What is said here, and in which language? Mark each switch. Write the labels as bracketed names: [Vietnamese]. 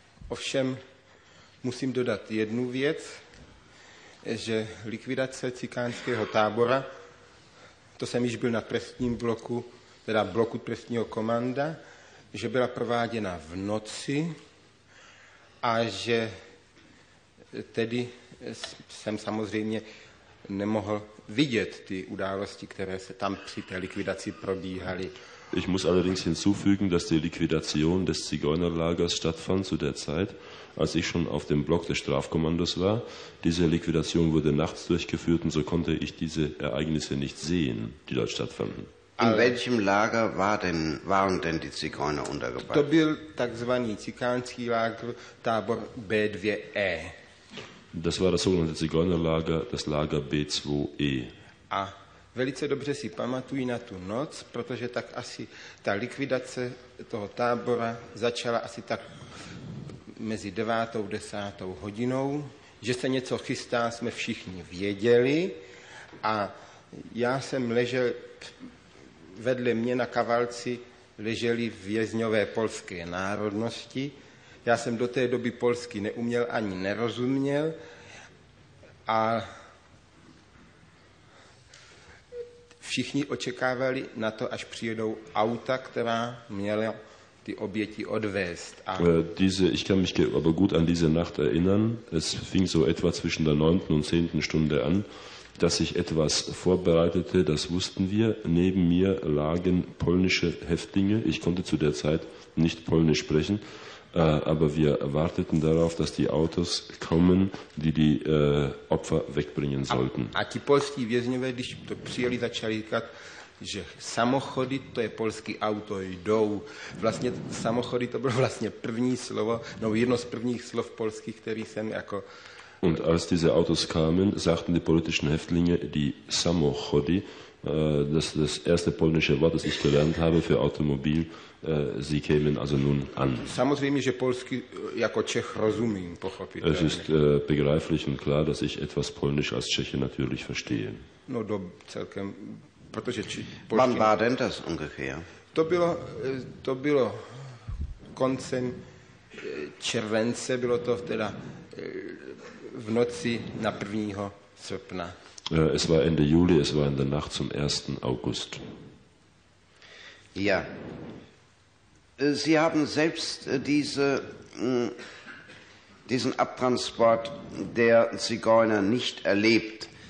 [Czech] Ovšem, musím dodat jednu věc, že likvidace cikánského tábora, to jsem již byl na trestním bloku, teda bloku trestního komanda, že byla prováděna v noci a že tedy jsem samozřejmě nemohl vidět ty události, které se tam při té likvidaci probíhaly. [German] Ich muss allerdings hinzufügen, dass die Liquidation des Zigeunerlagers stattfand zu der Zeit, als ich schon auf dem Block des Strafkommandos war. Diese Liquidation wurde nachts durchgeführt und so konnte ich diese Ereignisse nicht sehen, die dort stattfanden. In welchem Lager waren denn die Zigeuner untergebracht? [Czech] To byl takzvaný cikánský lágr, tábor B2E. [German] Das war das sogenannte Zigeunerlager, das Lager B2E. [Czech] A velice dobře si pamatují na tu noc, protože tak asi ta likvidace toho tábora začala asi tak mezi 9. a 10. hodinou, že se něco chystá, jsme všichni věděli a já jsem ležel, vedle mě na kavalci leželi vězňové polské národnosti. Já jsem do té doby polsky neuměl ani nerozuměl a všichni očekávali na to, až přijedou auta, která měla ty oběti odvést. [German] Ich kann mich aber gut an diese Nacht erinnern. Es fing so etwa zwischen der 9. und 10. Stunde an, dass ich etwas vorbereitete, das wussten wir. Neben mir lagen polnische Häftlinge. Ich konnte zu der Zeit nicht polnisch sprechen, aber wir warteten darauf, dass die Autos kommen, die die Opfer wegbringen sollten. [Czech] A ti polskí vězňové, když to přijeli, začali říkat, že samochody, to je polský auto, jdou. Vlastně samochody, to bylo vlastně první slovo, no jedno z prvních slov polských, který jsem jako... [German] Und als diese Autos kamen, sagten die politischen Häftlinge, die Samochody, das erste polnische Wort, das ich gelernt habe für Automobil, sie kämen also nun an. [Czech] Samozřejmě, že polsky jako Čech rozumím, pochopitelně. [German] Es ist begreiflich und klar, dass ich etwas polnisch als Tscheche natürlich verstehe. [Czech] No, do celkem, protože polsky... [German] Wann war denn das ungefähr? [Czech] To bylo koncem července, bylo to teda v noci na 1. srpna. [German] Es war Ende Juli, es war in der Nacht zum 1. August. Ja. Sie haben selbst diesen Abtransport der Zigeuner nicht erlebt.